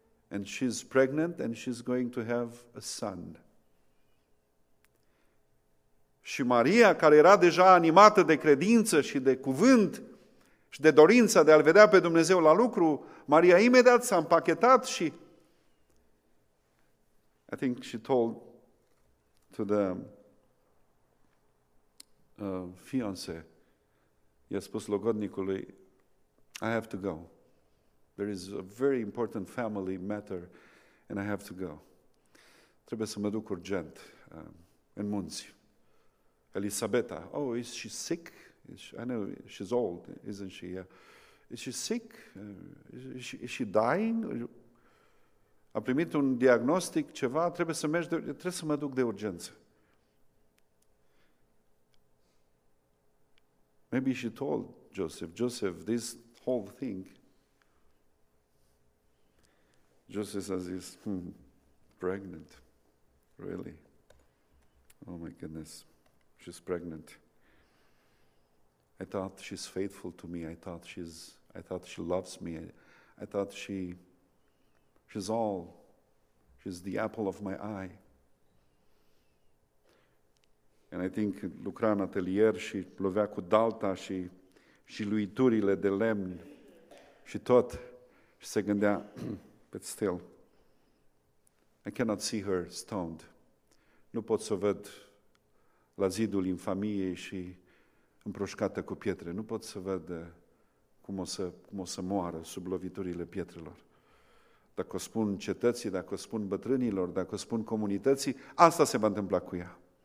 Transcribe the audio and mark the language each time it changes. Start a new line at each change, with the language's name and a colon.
English: And she's pregnant and she's going to have a son.
Romanian: Și Maria, care era deja animată de credință și de cuvânt și de dorința de a-L vedea pe Dumnezeu la lucru, Maria imediat s-a împachetat și
English: I think she told to the fiancé,
Romanian: I-a spus logodnicului,
English: I have to go. There is a very important family matter and I have to go.
Romanian: Trebuie să mă duc urgent în munți.
English: Elisabeta, oh, is she sick? I know she's old, isn't she? Yeah. Is she sick? Is she dying?
Romanian: A primit un diagnostic, ceva, trebuie să mă duc de urgență.
English: Maybe she told Joseph, this whole thing. Joseph says, pregnant, really? Oh my goodness, she's pregnant. I thought she's faithful to me. I thought she loves me. I thought she's all. She's the apple of my eye. And I think
Romanian: lucra în atelier și lovea cu dalta și luiturile de lemn și tot. Și se gândea,
English: but still, I cannot see her stoned.
Romanian: Nu pot să o văd la zidul infamiei și împroșcată cu pietre. Nu pot să văd cum o să moară sub loviturile pietrelor. Dacă o spun cetății, dacă o spun bătrânilor, dacă o spun comunității, asta se va întâmpla cu ea.